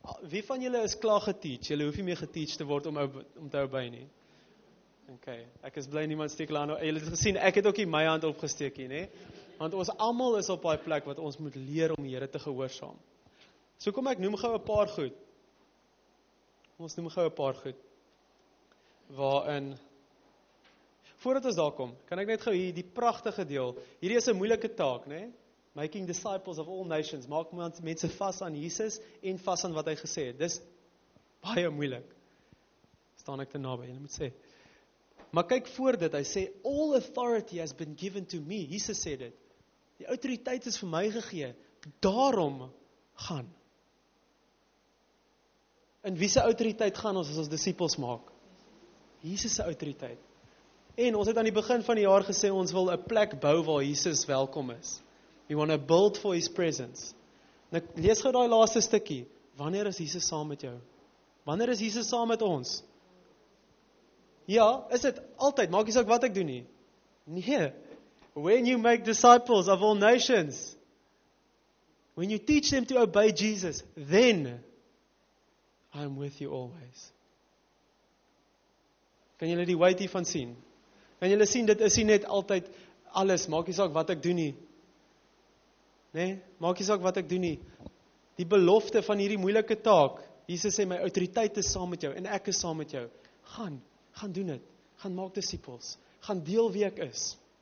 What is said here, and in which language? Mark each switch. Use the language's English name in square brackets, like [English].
[Afrikaans] Wie van julle is klaar geteach? Julle hoef nie meer geteach te word om te obey nie. Ok, ek is blij niemand steek laan. Julle het gesien, ek het ook nie my hand opgesteek nie. Nee? Want ons allemaal is op die plek wat ons moet leer om die Here te gehoorsaam. So kom ek noem gauw 'n paar goed. Ons noem gauw 'n paar goed. Waarin, voordat ons daar kom, kan ek net gauw hier die prachtige deel, hierdie is 'n moeilike taak, nee? [English] Making disciples of all nations, [Afrikaans] maak mense vast aan Jesus en vast aan wat hy gesê het. Dis baie moeilik. Staan ek te naby, jy moet sê. Maar kyk voor dit, hy sê, [English] all authority has been given to me, [Afrikaans] Jesus sê dit. Die autoriteit is vir my gegee, daarom gaan. In wie se autoriteit gaan ons as ons disciples maak? Jesus se autoriteit. En ons het aan die begin van die jaar gesê, ons wil 'n plek bou waar Jesus welkom is. [English] We want to build for his presence. [Afrikaans] Nou, lees gou daai laaste stukkie. Wanneer is Jesus saam met jou? Wanneer is Jesus saam met ons? Ja, is dit altyd, maak nie saak wat ek doen nie. Nee. [English] When you make disciples of all nations, when you teach them to obey Jesus, then I am with you always. [Afrikaans] Kan julle die weight hiervan sien? Kan julle sien, dit is nie net altyd alles, maak nie saak wat ek doen nie. Nee, maak nie saak wat ek doen nie. Die belofte van hierdie moeilike taak, Jesus sê, my autoriteit is saam met jou, en ek is saam met jou. Gaan doen het, gaan maak disciples, gaan deel wie ek is.